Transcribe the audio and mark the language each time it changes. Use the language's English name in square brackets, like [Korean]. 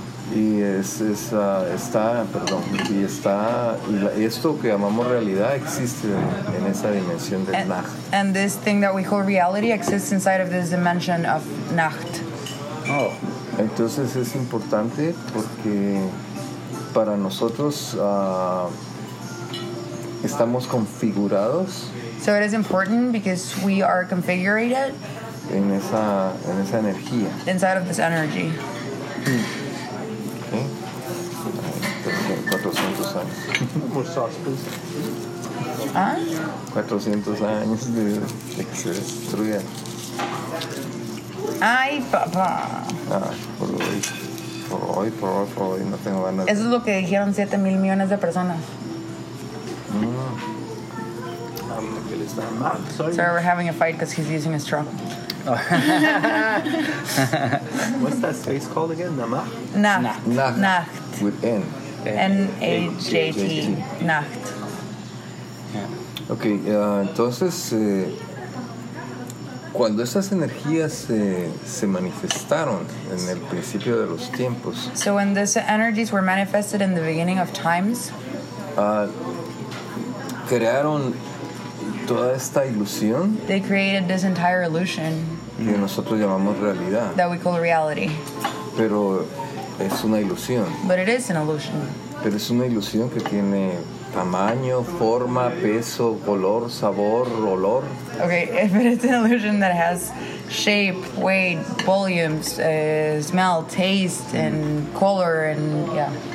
[Spanish] Y es está, perdón, y está, y esto que llamamos realidad existe en esa dimensión de Nacht. [English] And this thing that we call reality exists inside of this dimension of Nacht. Oh. [Spanish] Entonces es importante porque para nosotros estamos configurados. [English] So it is important because we are configured. [Spanish] En esa energía. [English] Inside of this energy. Hmm. More sauce, please. Huh? [Spanish] 400 años de que se destruya. Ay, papá. Ah, por hoy, no tengo ganas. Eso es lo que dijeron 7,000,000,000 de personas. [English] Sorry, we're having a fight because he's using a straw. What's that space called again? Nacht. Nacht. With N. N-A-J-T, Nacht. Yeah. [Spanish] Okay, entonces, cuando esas energías se manifestaron en el principio de los tiempos. [English] So when these energies were manifested in the beginning of times. [Spanish] Crearon toda esta ilusión. [English] They created this entire illusion. [Spanish] Que nosotros llamamos realidad. [English] That we call reality. [Spanish] Pero es una ilusión. [English] But it is an illusion. [Spanish] Pero es una ilusión que tiene tamaño, forma, peso, color, sabor, olor. [English] Okay, if it is an illusion that has shape, weight, volumes, smell, taste, and color, and yeah.